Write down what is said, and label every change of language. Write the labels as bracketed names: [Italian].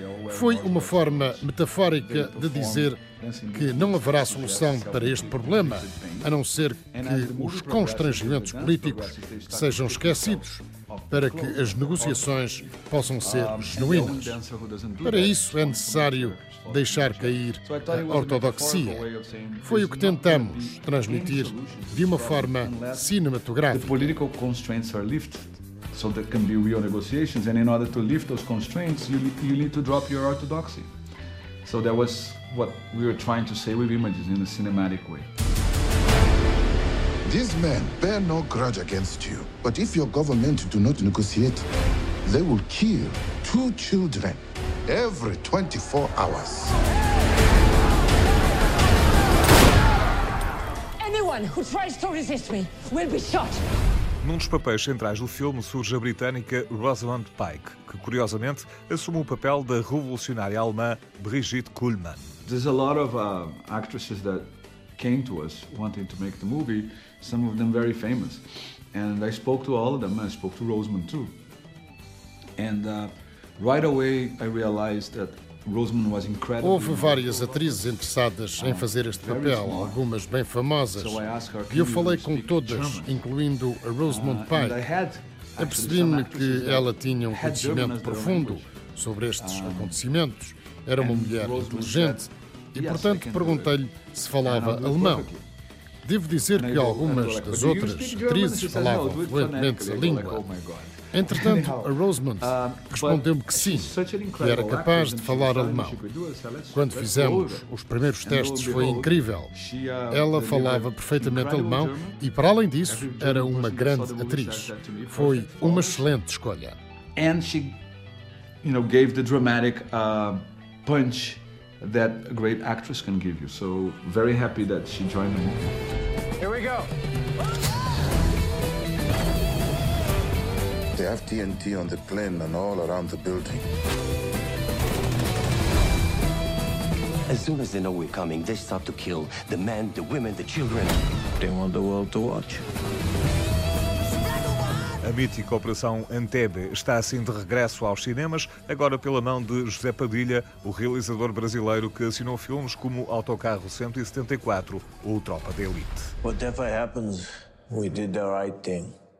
[Portuguese] Foi uma forma metafórica de dizer que não haverá solução para este problema, a não ser que os constrangimentos políticos sejam esquecidos, para que as negociações possam ser genuínas. Para isso é necessário deixar cair a ortodoxia. Foi o que tentamos transmitir de uma forma cinematográfica. [English] The political constraints are lifted, so there can be real negotiations. And in order to lift those constraints, you need to drop your orthodoxy. So that was what we were trying to say with images in a cinematic way. These men bear no grudge against you, but if your government do not negotiate, they will kill two children every 24 hours. Anyone who tries to resist me will be shot. [Portuguese] Num dos papéis centrais do filme surge a britânica Rosamund Pike, que curiosamente assume o papel da revolucionária alemã Brigitte Kuhlmann. [English] There's a lot of actresses that came to us wanting to make the movie. Some of them very famous, and I spoke to all of them. I spoke to Rosamund too, and right away I realized that Rosamund was incredible. [Portuguese] Houve várias atrizes interessadas em fazer este papel, algumas bem famosas. [English] So I asked her, [Portuguese] e eu falei com todas, incluindo a Rosamund Pike. Apercebi-me que ela tinha um conhecimento profundo sobre estes acontecimentos. Era uma mulher inteligente, e portanto perguntei-lhe se falava alemão. Devo dizer que algumas das outras atrizes falavam fluentemente a língua. Entretanto, a Rosamund respondeu-me que sim, que era capaz de falar alemão. Quando fizemos os primeiros testes, foi incrível. Ela falava perfeitamente alemão e, para além disso, era uma grande atriz. Foi uma excelente escolha. E ela, [English] you know, gave the dramatic punch that a great actress can give you. So very happy that she joined the movie. Here we go. The have TNT on the plane and all around the building. As soon as they know we're coming, they start to kill the men, the women, the children. They want the world to watch. [Portuguese] A mítica Operação Entebbe está assim de regresso aos cinemas, agora pela mão de José Padilha, o realizador brasileiro que assinou filmes como Autocarro 174 ou Tropa de Elite. [English] Whatever happens, we did the right thing.